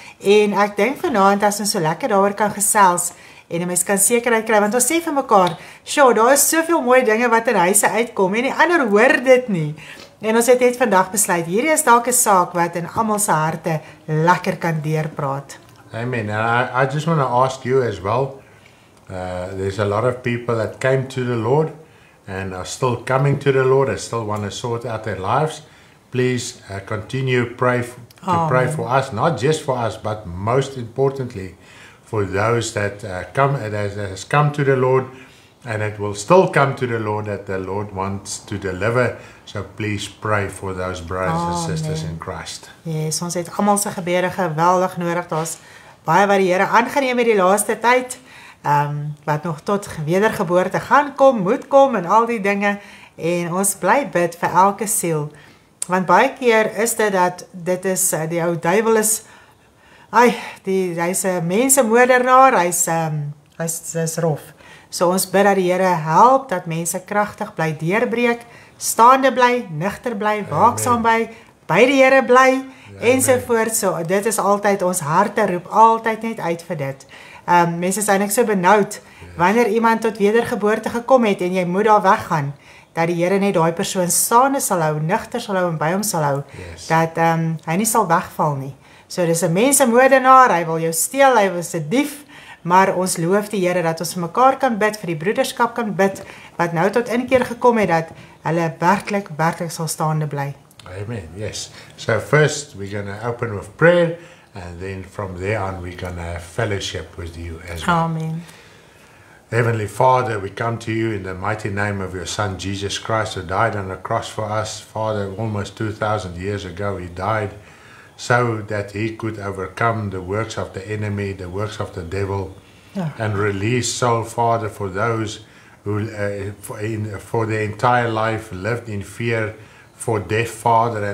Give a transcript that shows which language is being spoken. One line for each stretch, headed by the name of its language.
Afrikaans: En ek dink vanaand as ons so lekker daaroor kan gesels en 'n mens kan sekerheid kry, want ons sê vir mekaar, "Sjoe, daar is soveel mooi dinge wat in huise uitkom en die ander hoor dit nie." En ons het net vandag besluit, hierdie is dalk 'n saak wat in almal se harte lekker kan deurpraat. Amen.
English: And I just want to ask you as well. There's a lot of people that came to the Lord and are still coming to the Lord, and still want to sort out their lives, please continue pray for us, not just for us, but most importantly, for those that has come to the Lord, and it will still come to the Lord that the Lord wants to deliver. So please pray for those brothers and sisters in Christ.
Afrikaans: Yes, ons het almal se gebede geweldig nodig. Daar's baie wat die Here aangeneem het die laaste tyd, wat nog tot wedergeboorte gaan kom, moet kom en al die dinge. En ons bly bid vir elke siel. Want baie keer is dit dat dit is die ou duivel is, hy's 'n mensemoordenaar, hy's rof. So ons bid dat die Here help dat mense kragtig bly deurbreek, staande bly, nigter bly, waaksaam bly, by die Here bly ensovoorts. So dit is altyd ons harte roep altyd net uit vir dit. Mense is eintlik so benoud wanneer iemand tot wedergeboorte gekom het en jy moet daar weggaan. Dat die Here net daai persoon staande sal hou, nigter sal hou en by hom sal hou, dat hy nie sal wegval nie. So dis 'n mensemoordenaar, hy wil jou steel, hy was 'n dief, maar ons loof die Here dat ons vir mekaar kan bid, vir die broederskap kan bid, wat nou tot inkeer gekom het, dat hulle werklik, werklik sal staande bly.
English: Amen, yes. So first we're going to open with prayer, and then from there on we're going to have fellowship with you as well. Amen. Heavenly Father, we come to you in the mighty name of your Son, Jesus Christ, who died on the cross for us. Father, almost 2,000 years ago, he died so that he could overcome the works of the enemy, the works of the devil, and release soul, Father, for those who for their entire life lived in fear for death, Father.